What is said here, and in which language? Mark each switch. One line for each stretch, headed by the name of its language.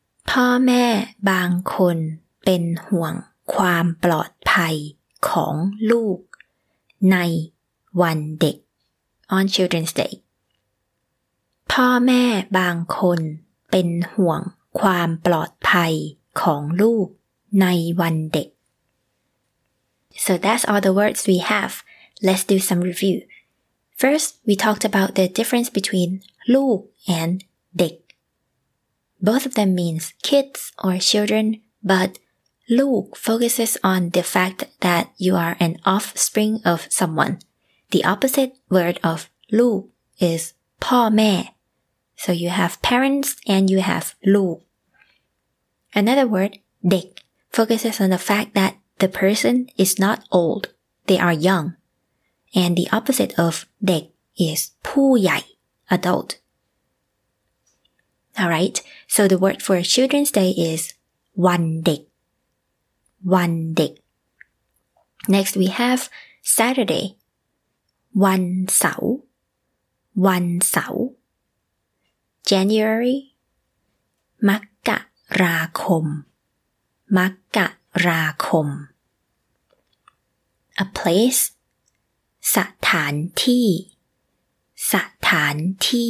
Thai: พ่อแม่บางคนเป็นห่วงความปลอดภัยของลูกในวันเด็ก
English: on children's day
Thai: พ่อแม่บางคนเป็นห่วงความปลอดภัยของลูกในวันเด็ก
English: so that's all the words we have let's do some reviewFirst, we talked about the difference between ลูก and เด็ก Both of them means kids or children, but ลูก focuses on the fact that you are an offspring of someone. The opposite word of ลูก is พ่อแม่ So you have parents and you have ลูก Another word, เด็ก focuses on the fact that the person is not old, they are young. And the opposite of เด็ก is ผู้ใหญ่ adult. Alright, so the word for Children's Day is
Thai: วันเด็ก วันเด็ก
English: Next we have Saturday.
Thai: วันเสาร์ วันเสาร์ January. มกราคม มกราคม
English: A place
Thai: สถานที่สถานที